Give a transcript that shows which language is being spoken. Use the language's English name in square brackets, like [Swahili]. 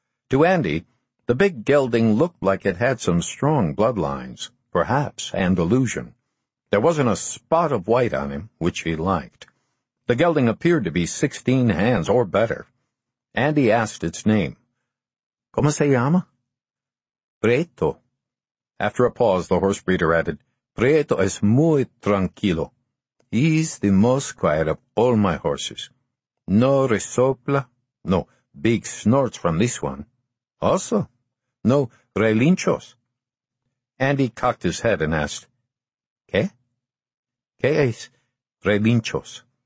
[English] To Andy, the big gelding looked like it had some strong bloodlines, perhaps Andalusian. There wasn't a spot of white on him, which he liked. The gelding appeared to be 16 hands or better. Andy asked its name. [Spanish] ¿Cómo se llama? Prieto. [English] After a pause, the horse breeder added, [Spanish] Prieto es muy tranquilo. [English] He's the most quiet of all my horses. [Spanish] No resopla, [English] no big snorts from this one. Also, no relinchos. Andy cocked his head and asked, [Spanish] ¿Qué? ¿Qué es relinchos?